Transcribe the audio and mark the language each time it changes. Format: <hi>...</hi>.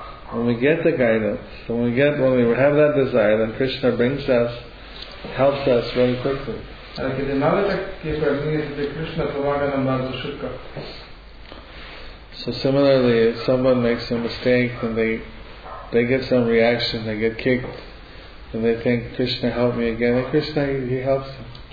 <en>When we get the guidance, when we have that desire, then Krishna brings us, helps us very quickly.</en> <pl>Ale kiedy mamy takie pragnienie, wtedy Krishna pomaga nam bardzo szybko.</pl> <en>So similarly, if someone makes a mistake, then they get some reaction, they get kicked, and they think, Krishna, help me again. And Krishna, he helps them.</en>